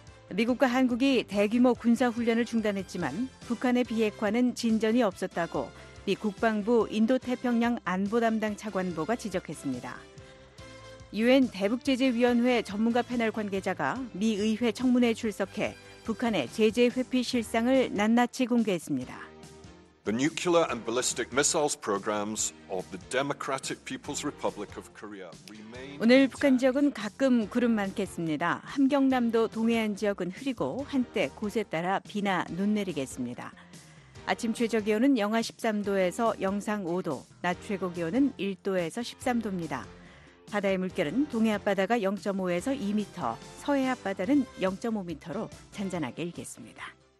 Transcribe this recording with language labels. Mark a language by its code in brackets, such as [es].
[ko] 미국과 한국이 대규모 군사훈련을 중단했지만 북한의 비핵화는 진전이 없었다고 미 국방부 인도태평양 안보 담당 차관보가 지적했습니다. 유엔 대북제재위원회 전문가 패널 관계자가 미 의회 청문회에 출석해 북한의 제재 회피 실상을 낱낱이 공개했습니다. [en] The nuclear and ballistic missiles programs of the Democratic People's Republic of Korea remain. [ko] 오늘 북한 지역은 가끔 구름 많겠습니다. 함경남도 동해안 지역은 흐리고 한때 곳에 따라 비나 눈 내리겠습니다. 아침 최저 기온은 영하 13도에서 영상 5도, 낮 최고 기온은 1도에서 13도입니다. 바다의 물결은 동해 앞바다가 0.5에서 2m, 서해 앞바다는 0.5m로 잔잔하게 일겠습니다.